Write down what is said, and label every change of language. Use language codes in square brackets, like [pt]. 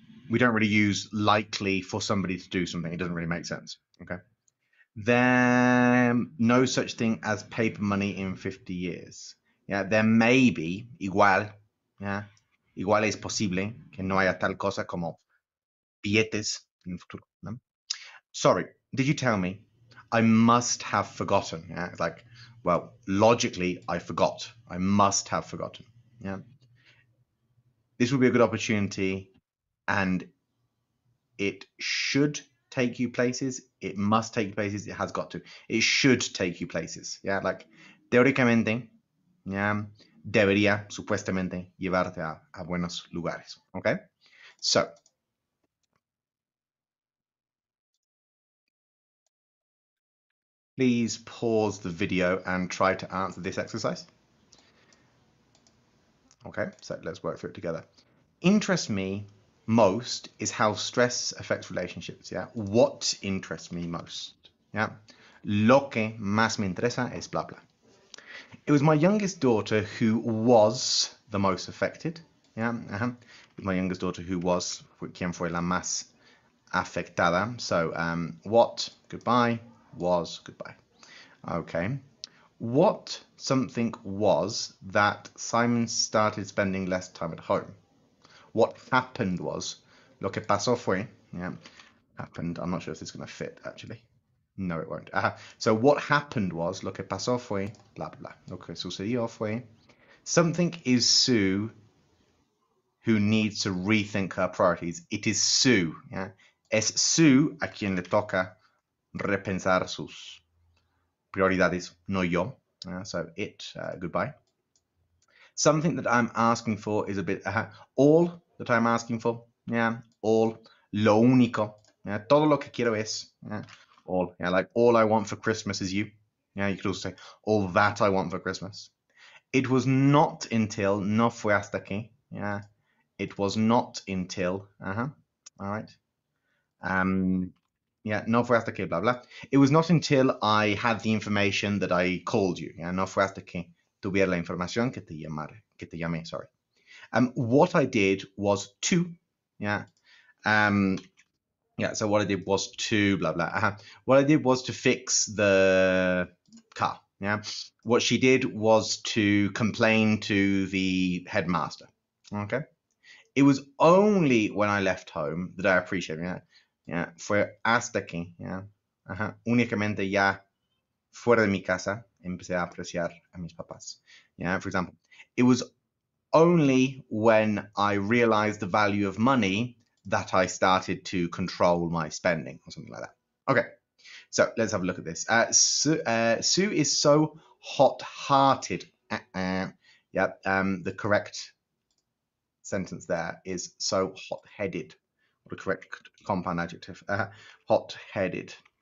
[en] We don't really use likely for somebody to do something. It doesn't really make sense. Okay. Then no such thing as paper money in 50 years. Yeah. There may be igual. Yeah. [es] Igual es posible que no haya tal cosa como billetes en el futuro, ¿no? [en] Sorry, did you tell me? I must have forgotten. Yeah, it's like, well, logically, I forgot. I must have forgotten. Yeah, this would be a good opportunity, and it should take you places. It must take you places. It has got to. It should take you places. [es] Yeah, like teóricamente, yeah. Debería supuestamente llevarte a buenos lugares. Okay? [en] So, please pause the video and try to answer this exercise. Okay, so let's work through it together. Interests me most is how stress affects relationships. Yeah? What interests me most? Yeah? [es] Lo que más me interesa es bla bla. [en] It was my youngest daughter who was the most affected. Yeah, My youngest daughter who was, [es] quien fue la más afectada. [en] So, what, goodbye, was, goodbye. Okay. What something was that Simon started spending less time at home? What happened was, [es] lo que pasó fue, [en] yeah, happened. I'm not sure if this is going to fit, actually. No, it won't. So what happened was, [es] lo que pasó fue, [en] blah, blah, blah. [es] Lo que sucedió fue, [en] something is Sue who needs to rethink her priorities. It is Sue, yeah? [es] Es Sue a quien le toca repensar sus prioridades, no yo. [en] So it, goodbye. Something that I'm asking for is a bit, all that I'm asking for, yeah? [es] All, lo único, yeah? Todo lo que quiero es, yeah? [en] All, yeah, like all I want for Christmas is you. Yeah, you could also say all that I want for Christmas. It was not until, [es] no fue hasta aquí. [en] Yeah, it was not until, all right. Yeah, [es] no fue hasta aquí, [en] blah, blah. It was not until I had the information that I called you. Yeah, no fue hasta aquí. [es] Tuviera la información que te llamé, [en] sorry. What I did was to, yeah. Yeah, so what I did was to blah blah. What I did was to fix the car. Yeah. What she did was to complain to the headmaster. Okay. It was only when I left home that I appreciated it. [es] Yeah. Fue hasta aquí. Yeah. Únicamente ya fuera de mi casa empecé a apreciar a mis papás. [en] Yeah. For example, it was only when I realized the value of money that I started to control my spending or something like that. Okay, so let's have a look at this. Sue is so hot-hearted. Yep, the correct sentence there is so hot-headed, or the correct compound adjective, hot-headed.